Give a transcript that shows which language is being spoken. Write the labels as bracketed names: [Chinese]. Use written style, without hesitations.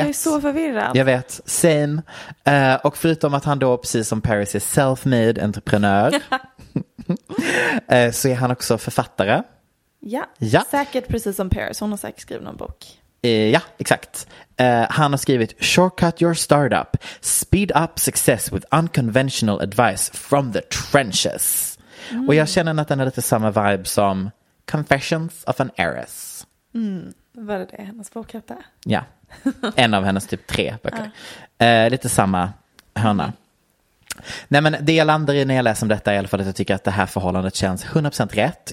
[Swedish] Jag är så förvirrad. Jag vet, same. Och förutom att han då, precis som Paris, är self-made entreprenör, så är han också författare. Ja, säkert precis som Paris. Hon har säkert skrivit någon bok. Ja, exakt. Han har skrivit Shortcut Your Startup. [English] Speed up success with unconventional advice from the trenches. Mm. [Swedish] Och jag känner att den är lite samma vibe som Confessions of an Heiress. Mm. Vad är det? Hennes bok heter? Ja, en av hennes typ tre böcker. Lite samma hörna. Nej, men det jag landar i när jag läser om detta är i alla fall att jag tycker att det här förhållandet känns 100% rätt.